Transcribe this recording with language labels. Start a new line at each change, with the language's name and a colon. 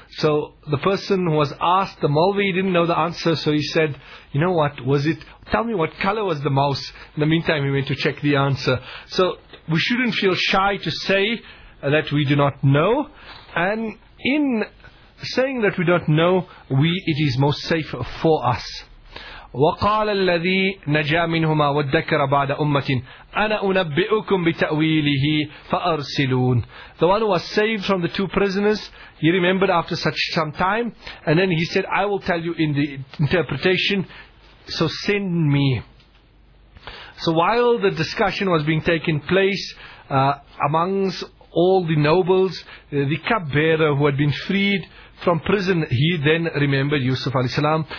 English: So the person who was asked, the Malvi, he didn't know the answer, so he said, you know what, was it? Tell me what color was the mouse. In the meantime, he went to check the answer. So we shouldn't feel shy to say that we do not know. And in saying that we don't know, it is most safe for us.
Arabic: وقال الذي نجا منهما وذكر بعد امه انا انبئكم بتاويله فارسلون.
English: The one who was saved from the two prisoners, he remembered after such some time, and then he said, I will tell you in the interpretation, so send me. So while the discussion was being taken place amongst all the nobles, the cupbearer who had been freed from prison, he then remembered Yusuf alayhi salam.